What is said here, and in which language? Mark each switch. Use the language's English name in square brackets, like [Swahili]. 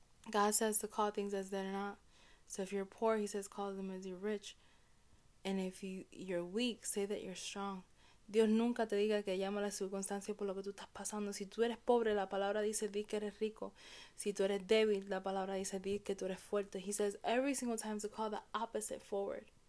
[English] God says to call things as they're not. So if you're poor, He says call them as you're rich. And if you're weak, say that you're strong. [Spanish] Dios nunca te diga que llama las circunstancias por lo que tú estás pasando. Si tú eres pobre, la palabra dice, di que eres rico. Si tú eres débil, la palabra dice, di que tú eres fuerte. [English] He says every single time to call the opposite forward.